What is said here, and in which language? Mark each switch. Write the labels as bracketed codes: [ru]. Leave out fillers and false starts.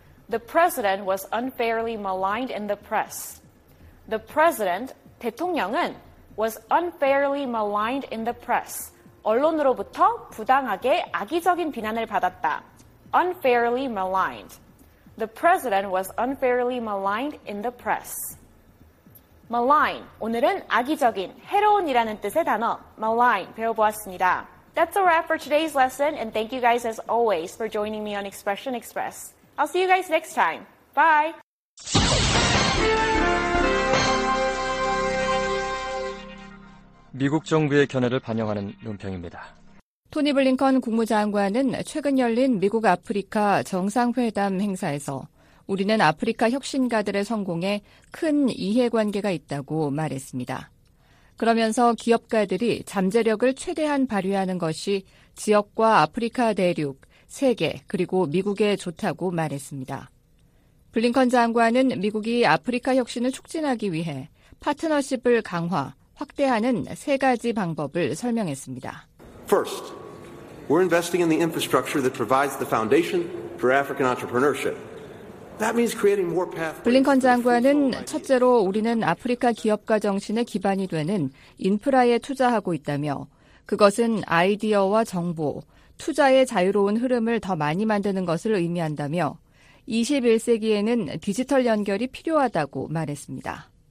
[en] The president was unfairly maligned in the press. The president, [ko] 대통령은 [en] was unfairly maligned in the press. [ko] 언론으로부터 부당하게 악의적인 비난을 받았다. [en] Unfairly maligned. The president was unfairly maligned in the press. Malign. [ko] 오늘은 악의적인, 해로운이라는 뜻의 단어, malign, 배워보았습니다. [en] That's a wrap for today's lesson, and thank you guys as always for joining me on Expression Express. I'll see you guys next time. Bye! [ko] (미국 정부의 견해를 반영하는 논평입니다.) 토니 블링컨 국무장관은 최근 열린 미국 아프리카 정상회담 행사에서 우리는 아프리카 혁신가들의 성공에 큰 이해관계가 있다고 말했습니다. 그러면서 기업가들이 잠재력을 최대한 발휘하는 것이 지역과 아프리카 대륙, 세계 그리고 미국에 좋다고 말했습니다. 블링컨 장관은 미국이 아프리카 혁신을 촉진하기 위해 파트너십을 강화, 확대하는 세 가지 방법을 설명했습니다. [en] First, we're investing in the infrastructure that provides the foundation for African entrepreneurship. That means creating more pathways. [ko] 블링컨 장관은 첫째로 우리는 아프리카 기업가 정신의 기반이 되는 인프라에 투자하고 있다며 그것은 아이디어와 정보, 투자의 자유로운 흐름을 더 많이 만드는 것을 의미한다며 21세기에는 디지털 연결이 필요하다고 말했습니다.